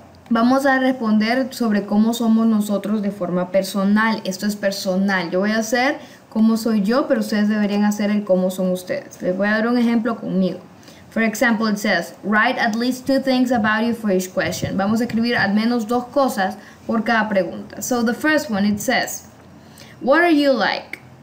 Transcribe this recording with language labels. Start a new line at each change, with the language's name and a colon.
Spanish: Vamos a responder sobre cómo somos nosotros de forma personal. Esto es personal. Yo voy a hacer cómo soy yo, pero ustedes deberían hacer el cómo son ustedes. Les voy a dar un ejemplo conmigo.
English: For example, it says, write at least two things about you for each question.
Spanish: Vamos a escribir al menos dos cosas por cada pregunta.
English: So the first one, it says, what are you like?